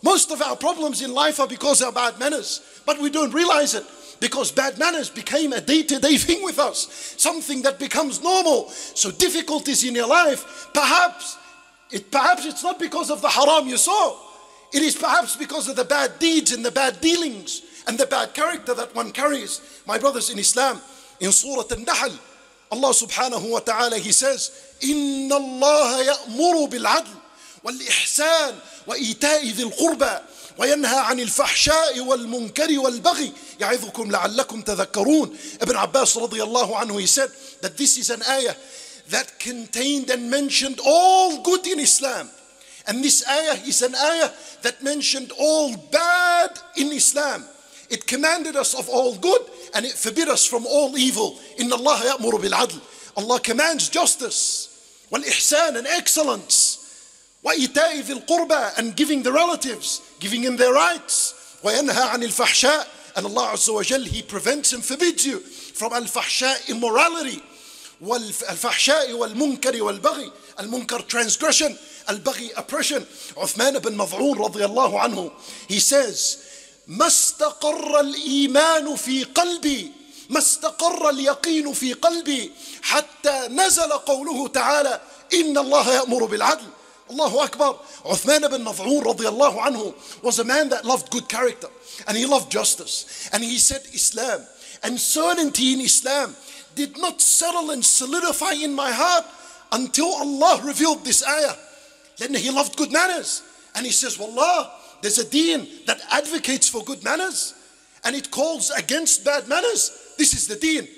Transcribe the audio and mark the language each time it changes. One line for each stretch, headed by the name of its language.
English: Most of our problems in life are because of our bad manners, but we don't realize it because bad manners became a day-to-day thing with us, something that becomes normal. So difficulties in your life, perhaps it's not because of the haram you saw. It is perhaps because of the bad deeds and the bad dealings and the bad character that one carries. My brothers in Islam, in Surah An-Nahl, Allah subhanahu wa ta'ala, He says,
Arabic: إِنَّ اللَّهَ يَأْمُرُ بِالْعَدْلِ وَالْإِحْسَانِ وَإِيْتَاءِ ذِي الْقُرْبَى وَيَنْهَى عَنِ الْفَحْشَاءِ وَالْمُنْكَرِ وَالْبَغِي يَعِظُكُمْ لَعَلَّكُمْ تَذَكَّرُونَ.
English: Ibn Abbas radiallahu anhu, he said that this is an ayah that contained and mentioned all good in Islam. And this ayah is an ayah that mentioned all bad in Islam. It commanded us of all good and it forbid us from all evil.
Arabic: إِنَّ اللَّهَ يَأْمُرُ بِالْعَدْلِ.
English: Allah commands justice,
Arabic: وَالْإِحْسَانِ
English: and excellence,
Arabic: وَإِتَاءِ ذِي الْقُرْبَى
English: and giving the relatives, giving him their rights,
Arabic: وَيَنْهَى عَنِ الْفَحْشَاءِ
English: and Allah Azza wa Jal, He prevents and forbids you from al-fahshaa, immorality,
Arabic: وَالْفَحْشَاءِ وَالْمُنْكَرِ وَالْبَغِي,
English: al-munkar, transgression, al-baghi, oppression. Uthman ibn Mad'un radiallahu anhu, he says,
Arabic: مَسْتَقَرَّ الْإِيمَانُ فِي قَلْبِي مَسْتَقَرَّ الْيَقِينُ فِي قَلْبِي حَتَّى نَزَلَ قَوْلُهُ تَعَالَى إِنَّ اللَّهَ يَأْمُرُ بِالْعَدْلِ. Allahu Akbar.
English: Uthman ibn Mad'un radiallahu anhu was a man that loved good character and he loved justice, and he said Islam and certainty in Islam did not settle and solidify in my heart until Allah revealed this ayah. Then he loved good manners and he says, wallah, there's a deen that advocates for good manners and it calls against bad manners. This is the deen.